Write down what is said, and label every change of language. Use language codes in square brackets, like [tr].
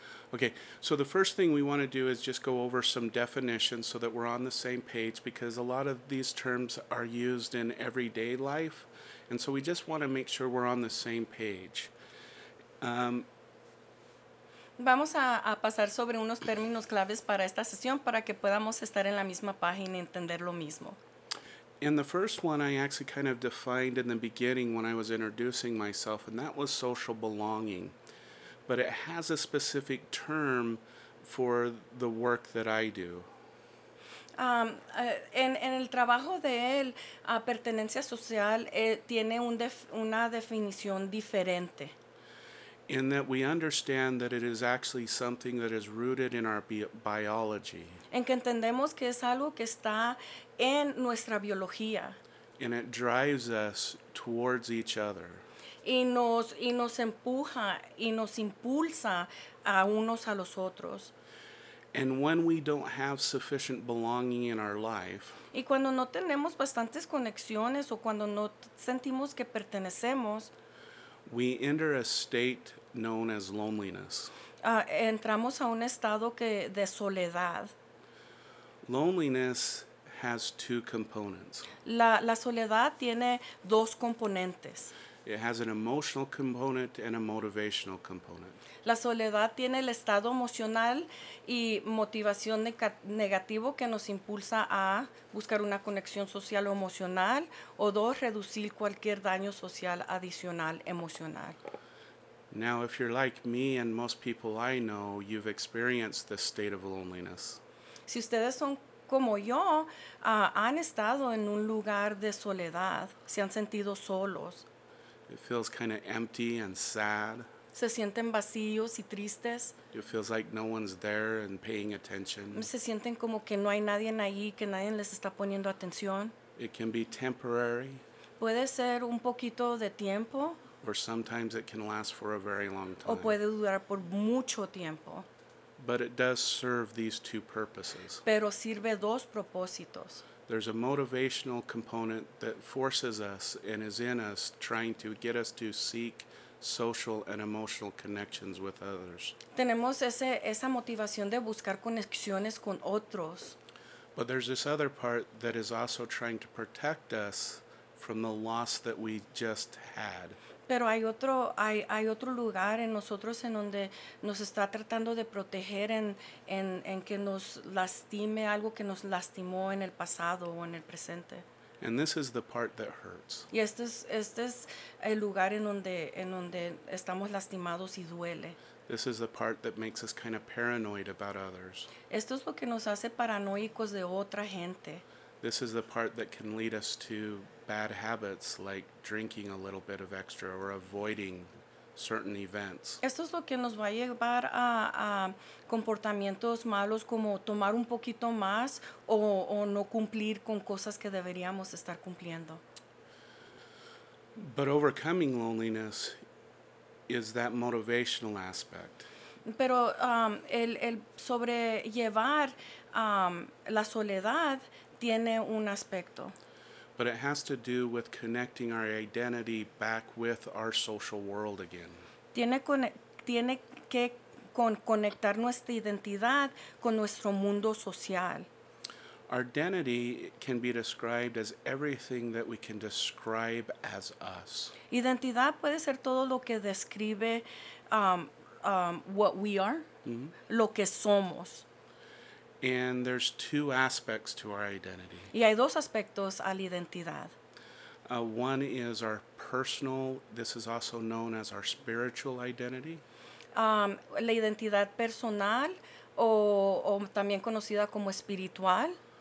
[en] Okay, so the first thing we want to do is just go over some definitions so that we're on the same page, because a lot of these terms are used in everyday life, and so we just want to make sure we're on the same page. [es] Vamos a pasar sobre unos términos claves para esta sesión para que podamos estar en la misma página y entender lo mismo. [en] And the first one I actually kind of defined in the beginning when I was introducing myself, and that was social belonging. But it has a specific term for the work that I do. [es] En el trabajo de él, pertenencia social tiene una definición diferente. [en] In that we understand that it is actually something that is rooted in our biology. [es] En que entendemos que es algo que está en nuestra biología. [en] And it drives us towards each other. [es] Y nos empuja y nos impulsa a unos a los otros. [en] And when we don't have sufficient belonging in our life, [es] y cuando no tenemos bastantes conexiones o cuando no sentimos que pertenecemos, [en] we enter a state known as loneliness. [es] Entramos a un estado de soledad. [en] Loneliness has two components. [es] La soledad tiene dos componentes. [en] It has an emotional component and a motivational component. [es] La soledad tiene el estado emocional y motivación negativo que nos impulsa a buscar una conexión social o emocional, o dos, reducir cualquier daño social adicional emocional. [en] Now, if you're like me and most people I know, you've experienced this state of loneliness. [es] Si ustedes son como yo, han estado en un lugar de soledad, se han sentido solos. [en] It feels kind of empty and sad. [es] Se sienten vacíos y tristes. [en] It feels like no one's there and paying attention. [es] Se sienten como que no hay nadie ahí, que nadie les está poniendo atención. [en] It can be temporary. [es] Puede ser un poquito de tiempo. [en] Or sometimes it can last for a very long time. [es] O puede durar por mucho tiempo. [en] But it does serve these two purposes. [es] Pero sirve dos propósitos. [en] There's a motivational component that forces us and is in us trying to get us to seek social and emotional connections with others. [es] Tenemos esa motivación de buscar conexiones con otros. [en] But there's this other part that is also trying to protect us from the loss that we just had. [es] Pero hay otro lugar en nosotros en donde nos está tratando de proteger en que nos lastime algo que nos lastimó en el pasado o en el presente. [en] And this is the part that hurts. [es] Y este es el lugar en donde estamos lastimados y duele. [en] This is the part that makes us kind of paranoid about others. [es] Esto es lo que nos hace paranoicos de otra gente. [en] This is the part that can lead us to bad habits like drinking a little bit of extra or avoiding certain events. [es] Esto es lo que nos va a llevar a comportamientos malos como tomar un poquito más o no cumplir con cosas que deberíamos estar cumpliendo. [en] But overcoming loneliness is that motivational aspect. [es] Pero el sobrellevar la soledad tiene un aspecto. [en] But it has to do with connecting our identity back with our social world again. [es] Tiene que conectar nuestra identidad con nuestro mundo social. [en] Our identity can be described as everything that we can describe as us. [es] Identidad puede ser todo lo que describe [en] what we are, [es] mm-hmm. lo que somos. [en] And there's two aspects to our identity. [es] Y hay dos aspectos a la identidad. [en] One is our personal, this is also known as our spiritual identity. [es] La identidad personal o también conocida como espiritual.